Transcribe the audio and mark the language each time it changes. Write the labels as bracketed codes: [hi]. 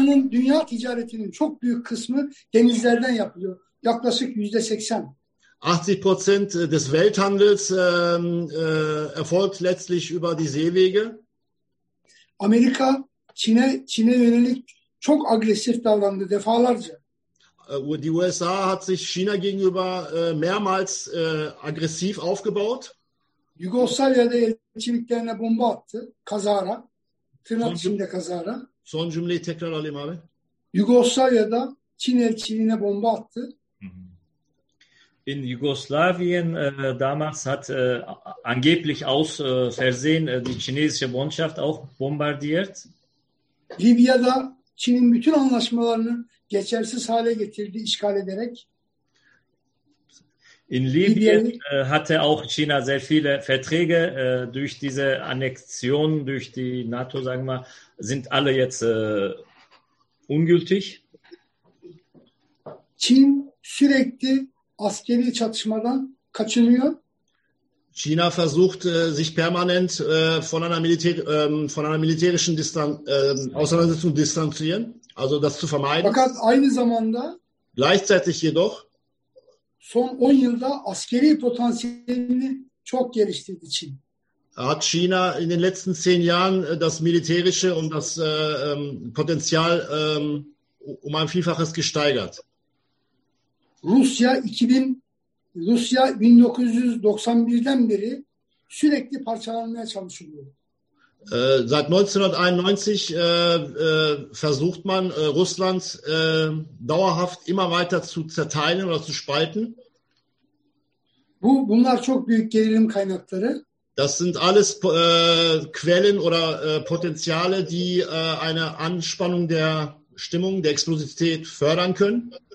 [tr] Dünya ticaretinin çok büyük kısmı denizlerden yapılıyor. Yaklaşık %80. [de] 80% des Welthandels erfolgt letztlich über die Seewege. [tr] Amerika Çin'e yönelik çok agresif davrandı defalarca. [de] Die USA hat sich China gegenüber mehrmals aggressiv aufgebaut. [tr] Jugoslawya'da elçiliklerine bomba attı. Kazara. Tırnak içinde kazara. Son cümleyi tekrar alayım abi. Jugoslawya'da Çin elçiliğine bomba attı. [de] In Jugoslawien damals hat angeblich aus Versehen die chinesische Botschaft auch bombardiert. [tr] Libya'da Çin'in bütün anlaşmalarını geçersiz hale getirdi işgal ederek. [de] In Libyen hatte auch China sehr viele Verträge durch diese Annexion durch die NATO, sagen wir, sind alle jetzt ungültig. [tr] Çin sürekli askeri çatışmadan kaçınıyor. [de] China versucht sich permanent von einer militärischen Auseinandersetzung zu distanzieren, also das zu vermeiden. [tr] Fakat aynı zamanda [de] gleichzeitig jedoch [tr] son 10 yılda askeri potansiyelini çok geliştirdi Çin. [de] Hat China in den letzten 10 Jahren das militärische und das Potenzial um ein Vielfaches gesteigert. [tr] Rusya 2000 Rusya 1991'den beri sürekli parçalanmaya çalışılıyor. [de] Seit 1991 versucht man Russland dauerhaft immer weiter zu zerteilen oder zu spalten. [tr] Bunlar çok büyük gerilim kaynakları. [de] Das sind alles Quellen oder Potenziale, die eine Anspannung der Stimmung, der Explosivität fördern können.